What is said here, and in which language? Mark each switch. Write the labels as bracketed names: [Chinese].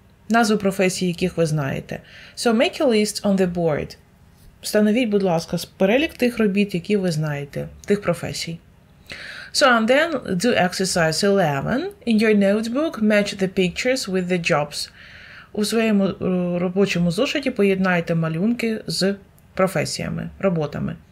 [Ukrainian] Назву професій, яких ви знаєте. [English] So make a list on the board. [Ukrainian] Встановіть, будь ласка, перелік тих робіт, які ви знаєте, тих професій. [English] So and then do exercise 11. In your notebook, match the pictures with the jobs. [Ukrainian] У своєму робочому зошиті поєднайте малюнки з професіями, роботами.